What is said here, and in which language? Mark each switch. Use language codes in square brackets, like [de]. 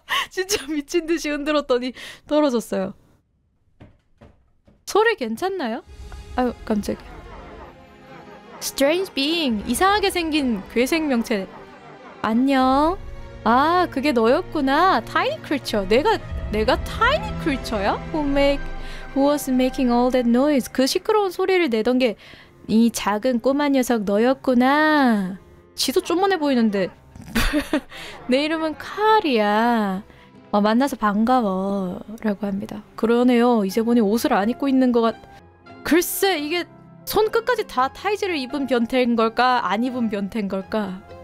[ko] 진짜 미친 듯이 흔들었더니 떨어졌어요. 소리 괜찮나요? 아유 깜짝이야. [en] Strange being. [ko] 이상하게 생긴 괴생명체. 안녕. 아 그게 너였구나. [en] Tiny creature. [ko] 내가 [en] tiny creature [ko] 야? [en] Who was making all that noise? [ko] 그 시끄러운 소리를 내던 게 이 작은 꼬마 녀석 너였구나. 지도 쪼만해 보이는데. 내 이름은 카리야. 만나서 반가워 라고 합니다. 그러네요. 이제 보니 옷을 안 입고 있는 것 글쎄 이게 손끝까지 다 타이즈를 입은 변태인 걸까 안 입은 변태인 걸까.